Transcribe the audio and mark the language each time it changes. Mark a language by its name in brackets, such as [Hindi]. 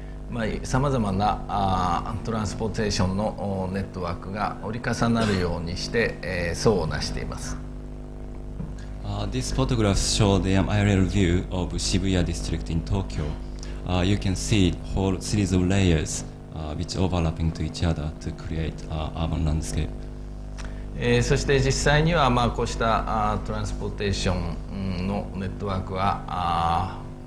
[Japanese] まあ、さまざまなトランスポーテーションのネットワークが折り重なるようにして、層をなしています。 [English] This photograph shows the aerial view of Shibuya district in Tokyo. You can see whole series of layers which overlapping to each other to create urban landscape. [Japanese] そして実際にはまあこうしたトランスポーテーションのネットワークは